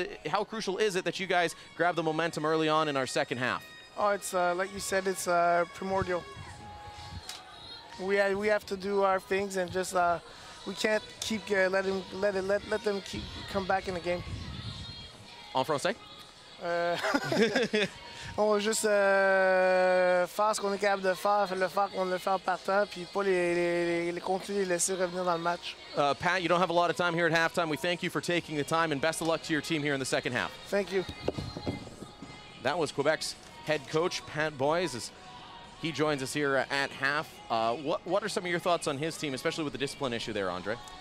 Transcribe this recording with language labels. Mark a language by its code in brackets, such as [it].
[en] How crucial is it that you guys grab the momentum early on in our second half? Oh, it's like you said, it's primordial. We have to do our things and just we can't keep letting them keep come back in the game. [fr] En français? On va juste faire ce qu'on est capable de faire, le faire qu'on le fait en partant, puis pas les continuer, les laisser revenir dans le match. [en] Pat, you don't have a lot of time here at halftime. We thank you for taking the time, and best of luck to your team here in the second half. Thank you. That was Quebec's head coach, Pat Boys, as he joins us here at half. What are some of your thoughts on his team, especially with the discipline issue there, Andre?